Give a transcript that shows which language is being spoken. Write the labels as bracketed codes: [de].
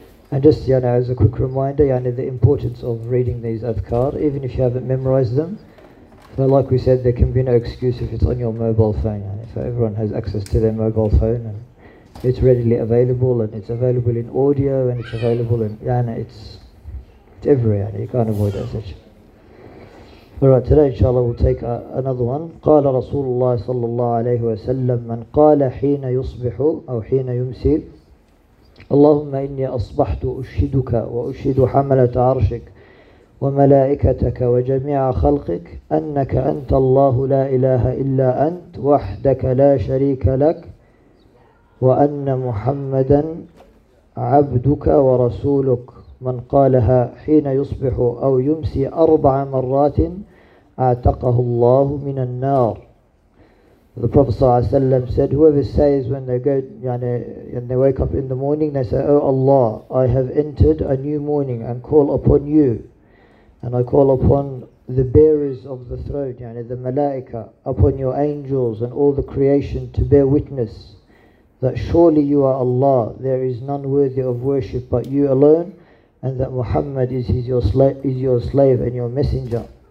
[en] And just as a quick reminder, the importance of reading these Adhkar, even if you haven't memorized them. So like we said, there can be no excuse if it's on your mobile phone. If everyone has access to their mobile phone and it's readily available, and it's available in audio, and it's available in, it's everywhere. You can't avoid that section. Alright, today inshallah we'll take another one. [ar] قال رسول الله صلى الله عليه وسلم من قال حين يصبح أو حين يمسي اللهم إني أصبحت أشهدك وأشهد حملة عرشك وملائكتك وجميع خلقك أنك أنت الله لا إله إلا أنت وحدك لا شريك لك وأن محمدا عبدك ورسولك. من قالها حين يصبح أو يمسي أربع مرات أعتقه الله من النار. [en] The Prophet [ar] صلى الله عليه وسلم [en] said, whoever says when they go, and they wake up in the morning, they say, Oh Allah, I have entered a new morning and call upon you, and I call upon the bearers of the throne, the malaika, upon your angels and all the creation to bear witness that surely you are Allah, there is none worthy of worship but you alone, and that Muhammad is your slave and your messenger.